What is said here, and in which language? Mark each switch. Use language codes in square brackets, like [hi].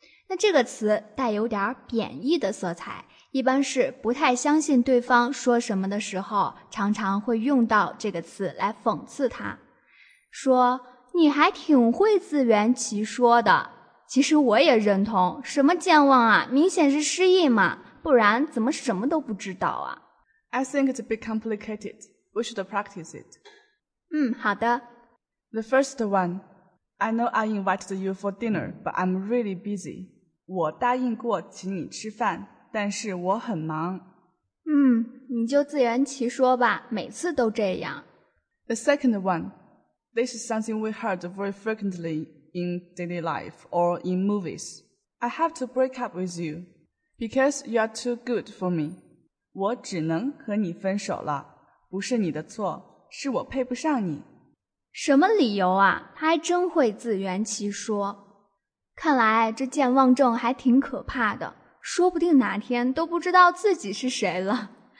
[zh] 那这个词带有点贬义的色彩，一般是不太相信对方说什么的时候，常常会用到这个词来讽刺他。说，你还挺会自圆其说的。其实我也认同，什么健忘啊，明显是失忆嘛，不然怎么什么都不知道啊。 [en] I think it's a bit complicated. We should practice it. [zh] 好的。 [en] The first one, I know I invited you for dinner, but I'm really busy. [zh] 我答应过请你吃饭，但是我很忙。你就自圆其说吧，每次都这样。 [en] The second one, this is something we heard very frequentlyin daily life or in movies. I have to break up with you because you are too good for me. [zh] 我只能和你分手了，不是你的错，是我配不上你。什么理由啊？他还真会自圆其说。看来这健忘症还挺可怕的，说不定哪天都不知道自己是谁了。